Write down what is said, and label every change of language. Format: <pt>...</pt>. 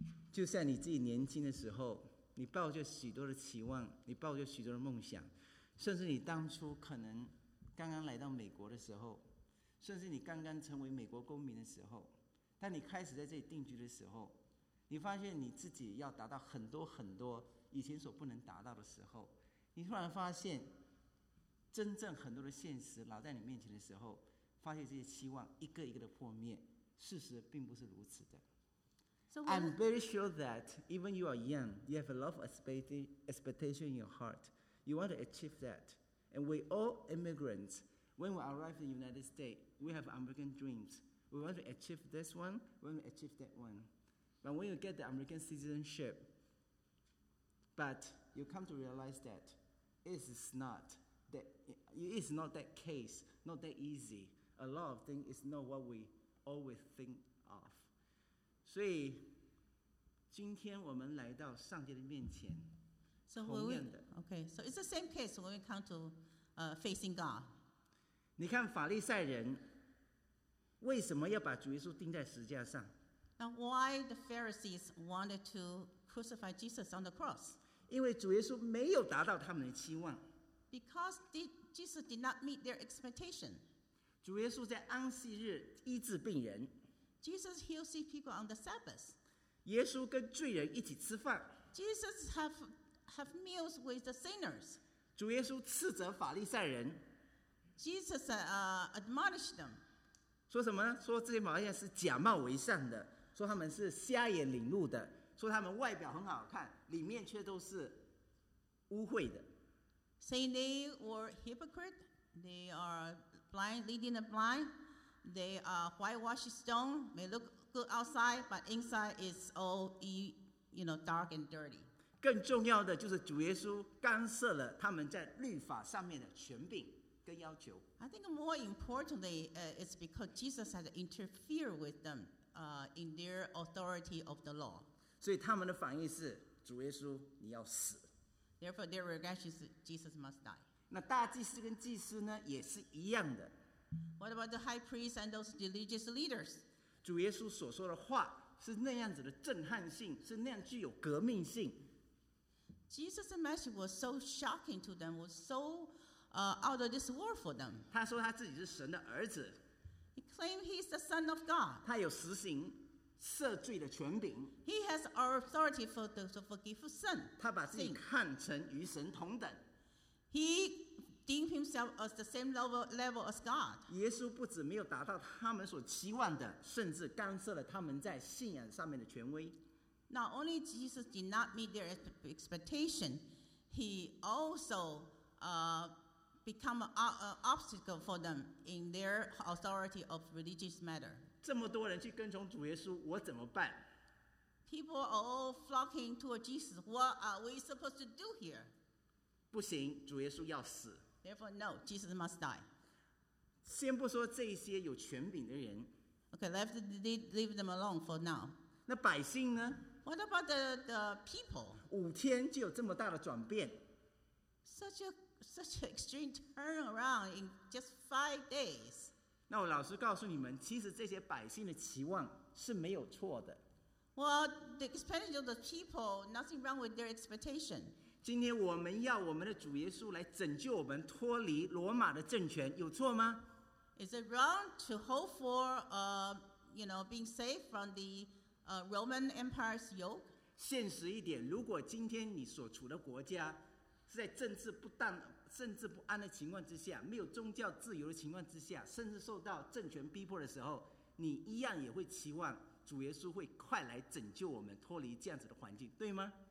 <zh>就像你自己年轻的时候，你抱着许多的期望，你抱着许多的梦想，甚至你当初可能刚刚来到美国的时候，甚至你刚刚成为美国公民的时候，当你开始在这里定居的时候，你发现你自己要达到很多很多以前所不能达到的时候，你突然发现真正很多的现实老在你面前的时候，发现这些期望一个一个的破灭，事实并不是如此的。</zh> <en>So I'm very sure that even you are young, you have a lot of expectation in your heart. You want to achieve that. And we all immigrants, when we arrive in the United States, we have American dreams. We want to achieve this one, we want to achieve that one. But when you get the American citizenship, but you come to realize that it is not that case, not that easy. A lot of things is not what we always think of.</en> <zh>所以今天我们来到上帝的面前，同样的。</zh> <en>Okay, so it's the same case when we come to facing God.</en> <zh>你看法利赛人为什么要把主耶稣钉在十字架上？</zh> <en>Now why the Pharisees wanted to crucify Jesus on the cross?</en> <zh>因为主耶稣没有达到他们的期望。</zh> <en>Because Jesus did not meet their expectation.</en> <zh>主耶稣在安息日医治病人。</zh> <en>Jesus heals people on the Sabbath.</en> <zh>耶稣跟罪人一起吃饭。</zh> <en>Jesus have meals with the sinners.</en> <zh>主耶稣斥责法利赛人。</zh> <en>Jesus admonished them.</en> <zh>说什么呢？说这些法利赛人是假冒为善的，说他们是瞎眼领路的，说他们外表很好看，里面却都是污秽的。</zh> <en>Saying they were hypocrites, they are blind leading the blind, they are whitewashed stone, may look good outside, but inside is all dark and dirty.</en> <zh>更重要的就是主耶稣干涉了他们在律法上面的权柄。</zh> <en>I think more importantly, it's because Jesus had interfered with them, in their authority of the law.</en> <zh>所以他们的反应是，主耶稣，你要死。</zh> <en>Therefore, their reaction is Jesus must die.</en> <zh>那大祭司跟祭司呢，也是一样的。</zh> <en>What about the high priest and those religious leaders?</en> <zh>主耶稣所说的话是那样子的震撼性，是那样具有革命性。</zh> <en>Jesus' message was so shocking to them, was so. Out of this world for them.</en> <zh>他说他自己是神的儿子。</zh> <en>He claimed he's the son of God.</en> <zh>他有实行赦罪的权柄。</zh> <en>He has authority for the to forgive sin.</en> <zh>他把自己看成与神同等。</zh> <en>He deemed himself as the same level as God.</en> <zh>耶稣不止没有达到他们所期望的，甚至干涉了他们在信仰上面的权威。</zh> <en>Not only Jesus did not meet their expectation, he also become an obstacle for them in their authority of religious matter.</en> <zh>这么多人去跟从主耶稣，我怎么办？</zh> <en>People are all flocking to Jesus. What are we supposed to do here?</en> <zh>不行，主耶稣要死。</zh> <en>Therefore, no, Jesus must die.</en> <zh>先不说这些有权柄的人。</zh> <en>Okay, let's leave them alone for now.</en> <zh>那百姓呢？</zh> <en>What about the people?</en> <zh>五天就有这么大的转变。</zh> <en>Such an extreme turnaround in just 5 days.</en> <zh>那我老实告诉你们，其实这些百姓的期望是没有错的。</zh> <en>Well, the expectation of the people, nothing wrong with their expectation.</en> <zh>今天我们要我们的主耶稣来拯救我们脱离罗马的政权，有错吗？</zh> <en>Is it wrong to hope for, you know, being saved from the, Roman Empire's yoke?</en> <zh>现实一点，如果今天你所处的国家是在政治不当、政治不安的情况之下，没有宗教自由的情况之下，甚至受到政权逼迫的时候，你一样也会期望主耶稣会快来拯救我们脱离这样子的环境，对吗？</zh>